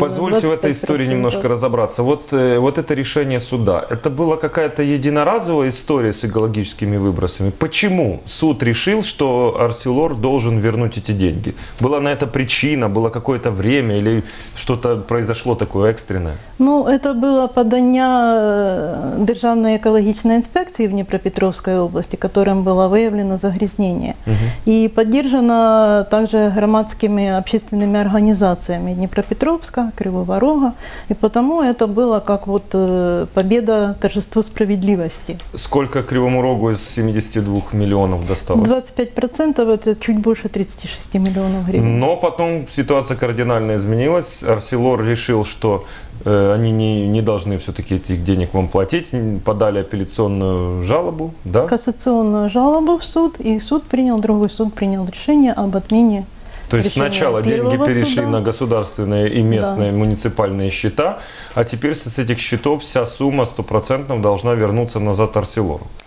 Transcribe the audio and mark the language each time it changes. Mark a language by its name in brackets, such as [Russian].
[Russian] Позвольте в этой истории немножко разобраться. Вот это решение суда. Это была какая-то единоразовая история с экологическими выбросами? Почему суд решил, что Арселор должен вернуть эти деньги? Была на это причина, было какое-то время или что-то произошло такое экстренное? [Ukrainian] Ну, это было подання Державної екологічної інспекції в Дніпропетровській області, яким було виявлено загрізнення. І підтверджено також громадськими общественними організаціями Дніпропетровська, Кривого Рога. І тому це було як побіда, торжество справедливості. Скільки Кривому Рогу з 72 мільйонів досталось? 25% – це чуть більше 36 мільйонів гривень. Але потім ситуація кардинально змінилась. [Russian] Арселор [Ukrainian] вирішив, що [Russian] они не должны все-таки этих денег вам платить, подали апелляционную жалобу, да? Кассационную жалобу в суд, и суд принял, другой суд принял решение об отмене. То есть сначала деньги перешли на государственные и местные муниципальные счета, а теперь с этих счетов вся сумма 100% должна вернуться назад Арселору.